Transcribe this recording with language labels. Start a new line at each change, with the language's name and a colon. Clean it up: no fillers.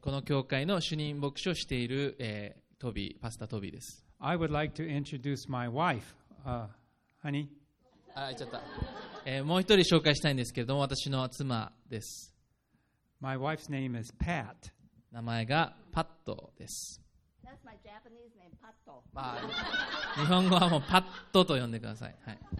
Japanese: この教会の主任牧師をしている、トビー、パスタートビーです。
English: I would like to introduce my wife, honey.
Japanese: あ、ちょっと、もう一人紹介したいんですけれども、私の妻です。
English: My wife's name is Pat.
Japanese: 名前がパットです。
English: That's my Japanese name, Patto.
Japanese: まあ、日本語はもうパットと呼んでください。はい。